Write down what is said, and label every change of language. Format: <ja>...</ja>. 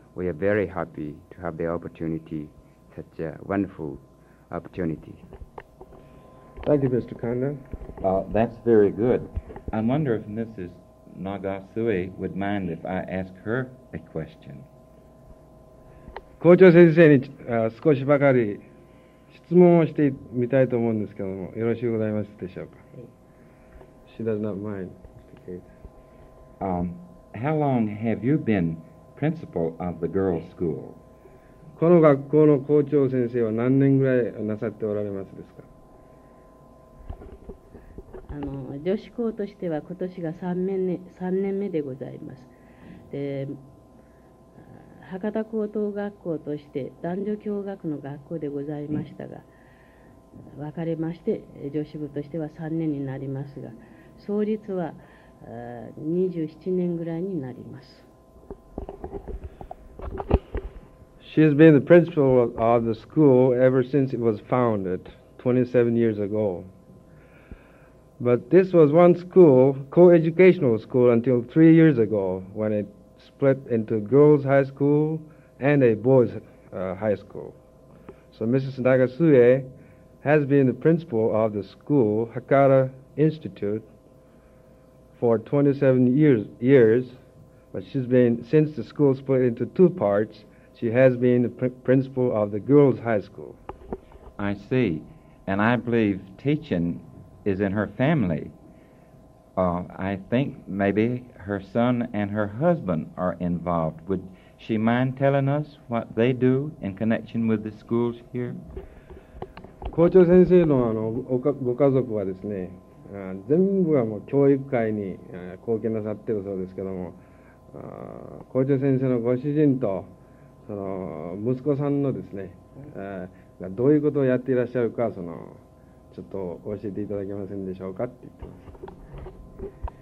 <en>We are very happy to have the opportunity. Such a wonderful opportunity. Thank you, Mr. Kanda. That's very good. I wonder if Mrs. Nagasue would mind if I ask her a question.</en> <ja>校長先生に少しばかり質問をしてみたいと思うんですけども、よろしゅうございますでしょうか。</ja> <en>She does not mind, Mr. Cates. How long have you been principal of the girls' school?</en> <ja>この学校の校長先生は何年ぐらいなさっておられますですか。女子校としては今年が3年目でございます。で、博多高等学校として男女共学の学校でございましたが、分かれまして女子部としては3年になりますが、創立は27年ぐらいになります。</ja> <en>She has been the principal of the school ever since it was founded 27 years ago. But this was one school, co-educational school, until 3 years ago when it split into girls' high school and a boys' high school. So Mrs. Nagasue has been the principal of the school, Hakata Institute, for 27 years, but she's been, since the school split into two parts, she has been the principal of the girls' high school. I see. And I believe teaching is in her family. I think maybe her son and her husband are involved. Would she mind telling us what they do in connection with the schools here?</en> <ja>校長先生 の, ご家族はですね、全部がもう教育界に貢献なさっているそうですけども、校長先生のご主人とその息子さんのですね、がどういうことをやっていらっしゃるか、そのちょっと教えていただけませんでしょうかって言ってます。</ja>